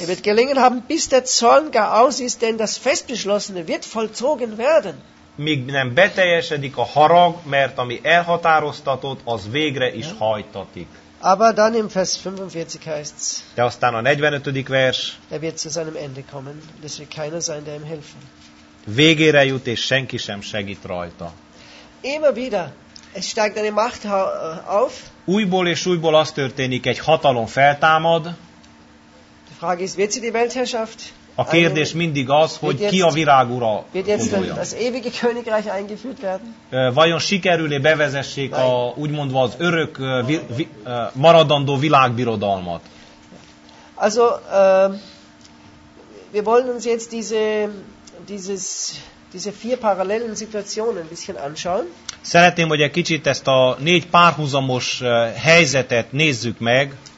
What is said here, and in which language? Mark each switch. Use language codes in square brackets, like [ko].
[de] Er wird gelingen haben, bis der Zorn gar aus ist, denn das Festbeschlossene wird vollzogen werden. [hu] Míg nem beteljesedik a harag, mert ami elhatároztatott, az végre is hajtatik. [de] Aber dann im Vers 45 heißt es, [hu] de aztán a 45. vers, [de] er wird zu seinem Ende kommen, es wird keiner sein, der ihm helfen. [hu] Végére jut, és senki sem segít rajta. [de] Immer wieder, es steigt eine Macht auf. [hu] Újból és újból az történik, egy hatalom feltámad. [de] Die Frage ist, wird sie die Weltherrschaft? [hu] A kérdés mindig az, hogy ki a virágura hódolja. [de] Wird jetzt das ewige Königreich eingeführt werden? [hu] Vajon sikerül-e bevezessék a, úgymondva az örök maradandó világbirodalmat? [de] Also, wir wollen uns jetzt diese vier parallelen Situationen ein bisschen anschauen. [hu] Szeretném, hogy egy kicsit ezt a négy párhuzamos helyzetet nézzük meg.